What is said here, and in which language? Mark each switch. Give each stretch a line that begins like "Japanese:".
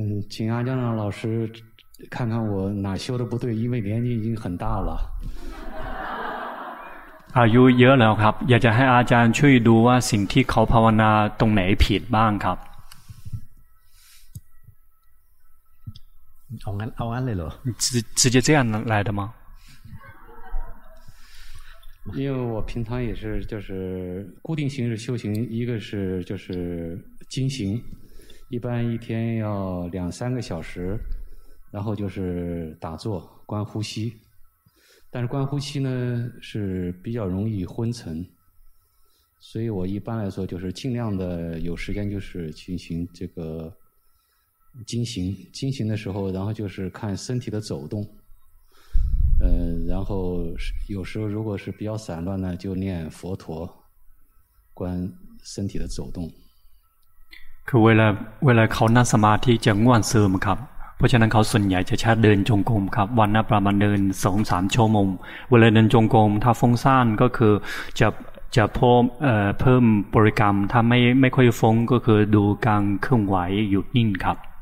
Chinese: 请阿江老师看看我哪修的不对，因为年纪已经很大了。
Thai: อายุเยอะแล้วครับอยากจะให้อาจารย์ช่วยดูว่าสิ่งที่เขาภาวนาตรงไหนผิดบ้างครับ เอางั้นเลยเหร
Chinese: อ直接这样来的吗因为我平常也是就是固定形式修行一个是就是精行一般一天要两三个小时然后就是打坐观呼吸但是观呼吸呢是比较容易昏沉所以我一般来说就是尽量的有时间就是进行这个精行的时候然后就是看身体的走动然后有时候如果是比较散乱呢就念佛陀观身体的走动
Thai: คือเวลาเขานั่งสมาธิจะง่วงซึมครับเพราะฉะนั้นเขาส่วนใหญ่จะใช้เดินจงกรมครับวันละประมาณเดิน 2-3 ชั่วโมงเวลาเดินจงกรมถ้าฟุ้งซ่านก็คือจะเพิ่มบริกรรมถ้าไม่ค่อยฟุ้งก็คือดูการเคลื่อนไหวหยุดนิ่งครับ